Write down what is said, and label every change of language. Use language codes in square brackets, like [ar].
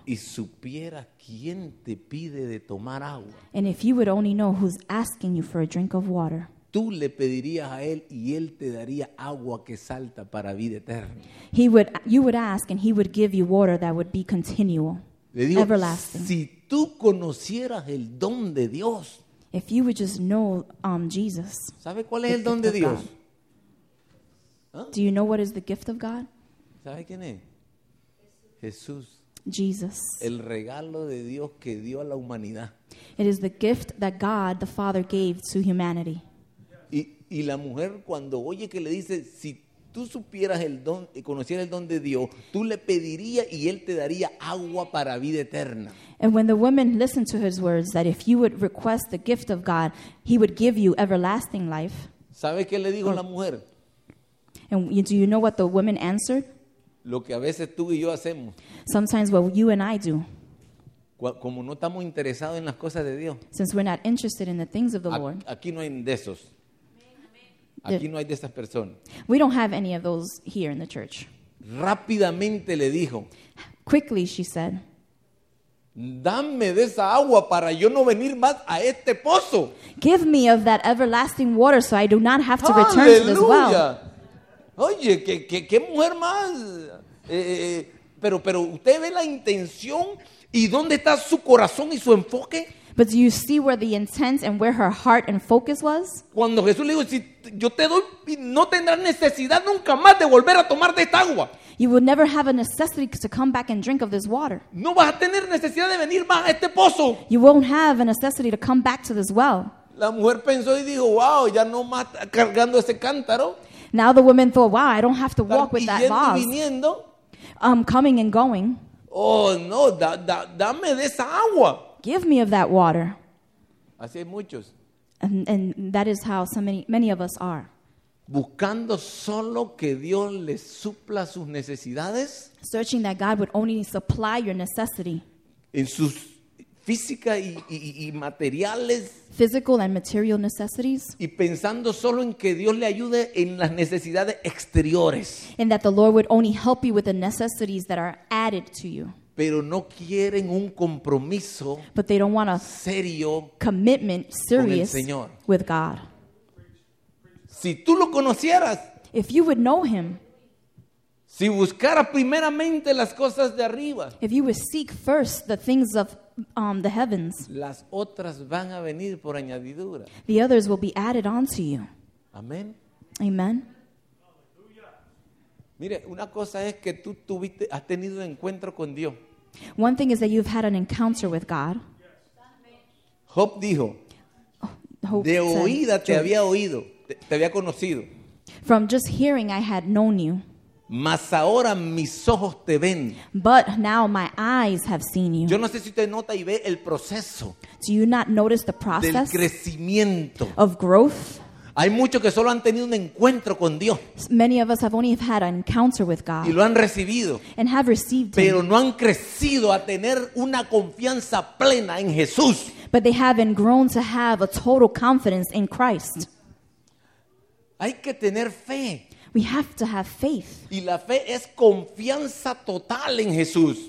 [es] Y supieras quién te pide de tomar agua. [en] And if you would only know who's asking you for a drink of water. [es] Tú le pedirías a él y él te daría agua que salta para vida eterna. [en] He would, you would ask and he would give you water that would be continual, [es] le digo, [en] everlasting. [es] Si tú conocieras el don de Dios. [en] If you would just know Jesus. [es] ¿Sabe cuál es el don de Dios? [en] Do you know what is the gift of God? [es] ¿Sabe quién es? Jesús. [en] Jesus. [es] El regalo de Dios que dio a la humanidad. [en] It is the gift that God the Father gave to humanity. [es] Y la mujer cuando oye que le dice, si tú supieras el don, conocieras el don de Dios, tú le pedirías y él te daría agua para vida eterna. [en] And when the woman listened to his words, that if you would request the gift of God, he would give you everlasting life. [es] ¿Sabe qué le dijo la mujer? [en] And do you know what the woman answered? [es] Lo que a veces tú y yo hacemos. [en] Sometimes what you and I do. [es] Como no estamos interesados en las cosas de Dios. [en] Since we're not interested in the things of the Lord. [es] Aquí no hay de esos. Aquí no hay de esas personas. [en] We don't have any of those here in the church. [es] Rápidamente le dijo. [en] Quickly she said. [es] Dame de esa agua para yo no venir más a este pozo. [en] Give me of that everlasting water so I do not have to return to this well. [es] Oye, qué mujer más. Pero usted ve la intención y dónde está su corazón y su enfoque. [en] But do you see where the intent and where her heart and focus was? [es] Cuando Jesús le dijo, si yo te doy, no tendrás necesidad nunca más de volver a tomar de esta agua. [en] You will never have a necessity to come back and drink of this water. [es] No vas a tener necesidad de venir más a este pozo. [en] You won't have a necessity to come back to this well. [es] La mujer pensó y dijo, wow, ya no más cargando ese cántaro. [en] Now the woman thought, wow, I don't have to walk with that vase. [es] Viniendo. [en] Coming and going. [es] Oh, no, dame de esa agua. [en] Give me of that water. [es] Así hay muchos. [en] And that is how so many of us are. [es] Buscando solo que Dios les supla sus necesidades. [en] Searching that God would only supply your necessity. [es] En sus físicas y materiales. [en] Physical and material necessities. [es] Y pensando solo en que Dios le ayude en las necesidades exteriores. [en] And that the Lord would only help you with the necessities that are added to you. [es] pero no quieren un compromiso serio con el Señor. [en] With God. [es] Si tú lo conocieras, [en] if you would know him, [es] si buscara primeramente las cosas de arriba, [en] if you would seek first the things of the heavens, [es] las otras van a venir por añadidura. [en] The others will be added onto you. Amen. Amen. [es] Mire, una cosa es que tú tuviste, has tenido un encuentro con Dios. [en] One thing is that you've had an encounter with God. [es] Job dijo, Hope de oída te había oído, te había conocido. [en] From just hearing, I had known you. [es] Mas ahora mis ojos te ven. [en] But now my eyes have seen you. [es] Yo no sé si usted nota y ve el proceso. [en] Do you not notice the process? [es] Del crecimiento. [en] Of growth. [es] Hay muchos que solo han tenido un encuentro con Dios. [en] Many of us have only had an encounter with God. [es] Y lo han recibido. [en] And have received him. [es] Pero no han crecido a tener una confianza plena en Jesús. [en] But they haven't grown to have a total confidence in Christ. [es] Hay que tener fe. [en] We have to have faith. [es] Y la fe es confianza total en Jesús.